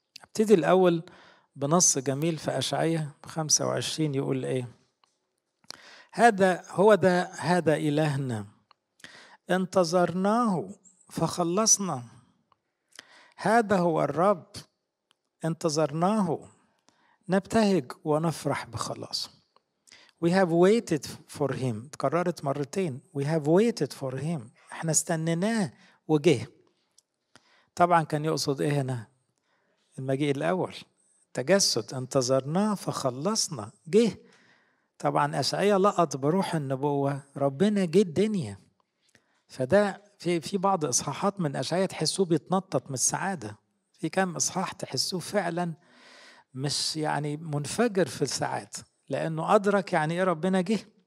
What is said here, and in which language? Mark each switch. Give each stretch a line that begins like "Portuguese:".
Arabic: ابتدي الأول بنص جميل في أشعياء 25 يقول إيه؟ هذا إلهنا انتظرناه فخلصنا، هذا هو الرب انتظرناه نبتهج ونفرح بخلاصه.
English: We have waited for him، تكررت مرتين، We have waited for him،
Arabic: احنا استنيناه وجه. طبعا كان يقصد إيه هنا؟ المجيء الأول، تجسد، انتظرناه فخلصنا، جه. طبعا أشعياء لقط بروح النبوة، ربنا جه الدنيا. فده في بعض إصحاحات من أشعياء تحسوه بيتنطط من السعادة، في كام إصحاح تحسوه فعلا مش يعني منفجر في السعادة، لأنه أدرك يعني إيه ربنا جه.